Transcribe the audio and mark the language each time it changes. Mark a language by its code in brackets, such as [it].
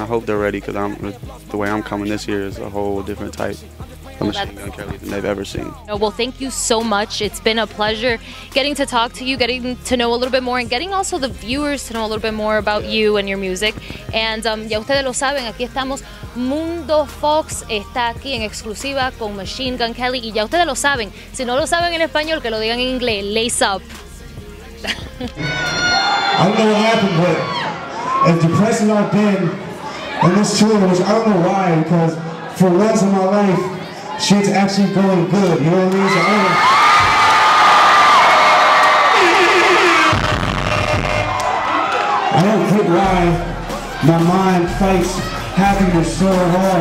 [en] I hope they're ready because the way I'm coming this year is a whole different type of machine gun Kelly than they've ever seen. Well, thank you so much. It's been a pleasure getting to talk to you, getting to know a little bit more, and getting also the viewers to know a little bit more about you and your music. [es] And ya ustedes lo saben, aquí estamos. Mundo Fox está aquí en exclusiva con Machine Gun Kelly. Y ya ustedes lo saben. Si no lo saben en español, que lo digan en inglés. [en] Lace up. I don't know what happened, but as depressing I've been on this tour, which I don't know why, because for once in my life, shit's actually going good, you know what I mean? So I don't know. I don't get why my mind fights happiness so hard.